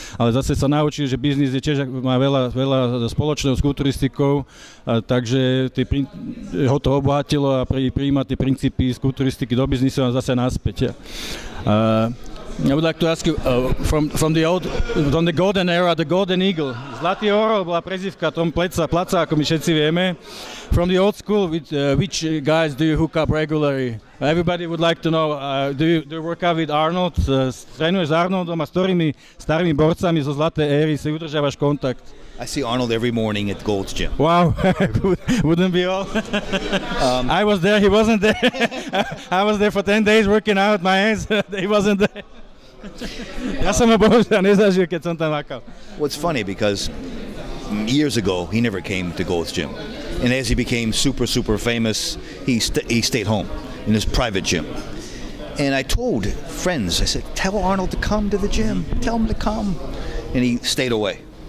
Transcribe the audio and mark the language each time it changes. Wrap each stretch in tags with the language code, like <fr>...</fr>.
<sk>Ale zase sa naučil, že biznis je tiež, má veľa, veľa spoločného s kulturistikou, takže ho to obohatilo a prijíma tie princípy z kulturistiky do biznisu a zase naspäť.</sk> <en>I would like to ask you from the golden era, the golden eagle.</en> <sk>Zlatý orol bola prezivka Tom Pleca, Placa, ako my všetci vieme.</sk> <en>From the old school, which guys do you hook up regularly? Everybody would like to know, do you work out with Arnold?</en> <sk>Trénuješ s Arnoldom a s ktorými starými borcami zo zlaté éry si udržiavaš kontakt?</sk> <en>I see Arnold every morning at Gold's Gym. Wow, wouldn't be all. I was there, he wasn't there. I was there for 10 days working out my hands, he wasn't there.</en> <sk>Ja som ho bohužiaľ nezažil, keď som tam makal.</sk> <en>Well, it's funny because years ago, he never came to Gold's Gym. And as he became super, super famous, he stayed home in his private gym. And I told friends, I said, tell Arnold to come to the gym. Tell him to come. And he stayed away.</en>